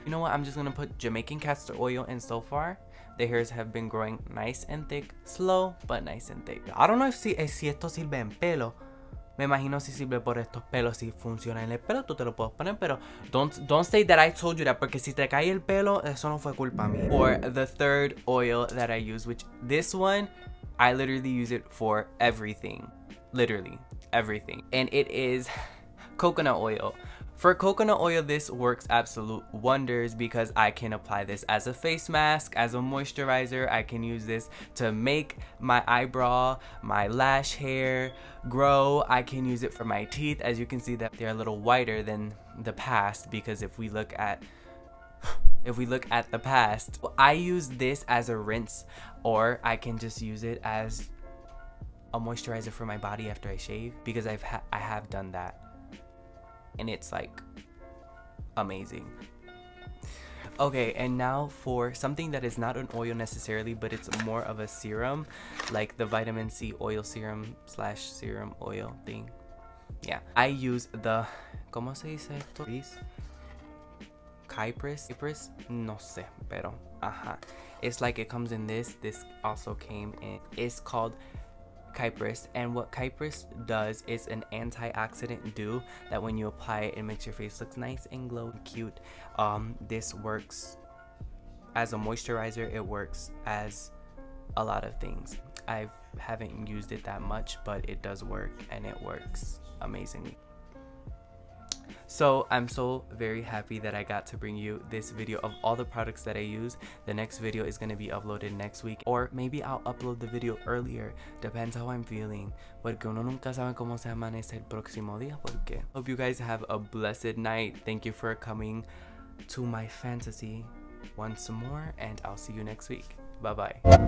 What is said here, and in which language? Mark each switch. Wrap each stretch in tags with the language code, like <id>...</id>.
<en>You know what, I'm just gonna put Jamaican castor oil, and so far the hairs have been growing nice and thick, slow but nice and thick. I don't know if</en> <es>si esto sirve en pelo. Me imagino si sirve por estos pelos, si funciona en el pelo, tú te lo puedes poner, pero</es> <en>don't say that I told you that,</en> <es>porque si te cae el pelo, eso no fue culpa mía.</es> <en>For the third oil that I use, which this one, I literally use it for everything. Literally, everything. And it is coconut oil. For coconut oil, this works absolute wonders because I can apply this as a face mask, as a moisturizer. I can use this to make my eyebrow, my lash hair grow. I can use it for my teeth. As you can see that they're a little whiter than the past, because if we look at the past, I use this as a rinse, or I can just use it as a moisturizer for my body after I shave, because I have done that. And it's like amazing. Okay, and now for something that is not an oil necessarily, but it's more of a serum, like the vitamin C oil serum slash serum oil thing. Yeah, I use the,</en> <es>¿cómo se dice esto? Cypress? No sé, pero ajá.</es> <en>It's like it comes in this. This also came in. It's called Cypress, and what Cypress does is an antioxidant dew that when you apply it, it makes your face look nice and glow and cute. This works as a moisturizer, it works as a lot of things. I haven't used it that much, but it does work, and it works amazingly. So I'm so very happy that I got to bring you this video of all the products that I use. The next video is going to be uploaded next week, or maybe I'll upload the video earlier. Depends how I'm feeling.</en> <es>Porque uno nunca sabe cómo se amanece el próximo día, porque.</es> <en>Hope you guys have a blessed night. Thank you for coming to my fantasy once more, and I'll see you next week. Bye-bye.</en>